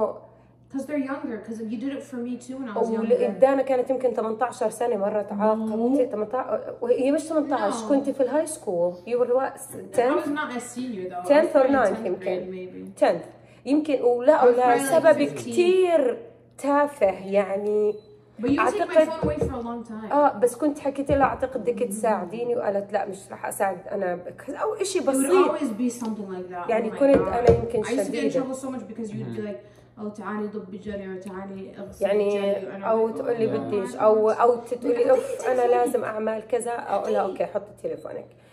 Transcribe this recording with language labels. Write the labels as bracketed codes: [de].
[en] because they're younger because you did it for me too when I was younger [ar] دانا كانت يمكن 18 سنة مرة تعاقبت 18 هي مش 18 كنت في الهاي سكول [en] you were what 10th I was not a senior though [ar] 10th or 9th يمكن 10th يمكن ولا ولا سبب كتير تافه يعني [en] But you took my phone away for a long time. [ar] بس كنت حكيت لها اعتقد بدك تساعديني وقالت لا مش راح اساعد انا او شيء بسيط. [en] It would always be something like that. [ar] يعني [en] oh [ar] كنت [en] God. [ar] انا يمكن شديدة. [en] I used to get in trouble so much because you'd be like, oh [ar] تعالي ضبي جري او تعالي اغسلي يعني جري او تقول لي بديش او تقول لي اوف انا لازم اعمل كذا اقول لها اوكي حط تليفونك.